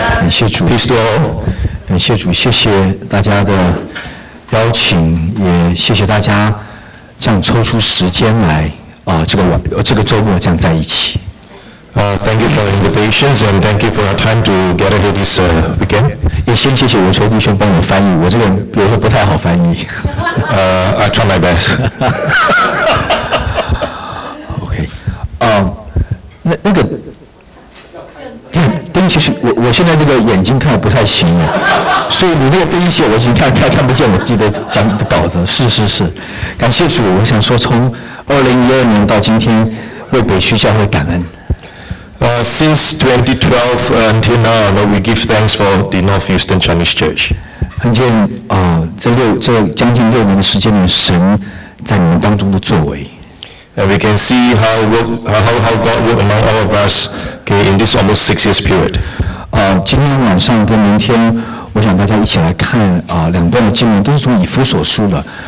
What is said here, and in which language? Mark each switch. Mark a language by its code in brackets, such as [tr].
[zh] 谢主基督，感谢主，谢谢大家的邀请，也谢谢大家这样抽出时间来这个周末这样在一起。 [en] Thank you for the invitations and thank you for our time to get ready this weekend. [zh] 也先谢谢文秋弟兄帮我翻译，我这个有时候不太好翻译。 [en] I try my best. [zh] OK，那个。其实 我现在这个眼睛看得不太行了，所以你那个第一写我已经看不见我自己的讲的稿子。是是是，感谢主。我想说从2012年到今天为北区教会感恩。 [en] Since 2012 until now, Lord, we give thanks for the North Houston Chinese Church. [zh] 看见这将近6年的时间里，神在你们当中的作为。 [en] And we can see how God worked among all of us, okay, in this almost 6 years period. [zh] 今天晚上跟明天，我想大家一起来看两段的经文，都是从以弗所书的。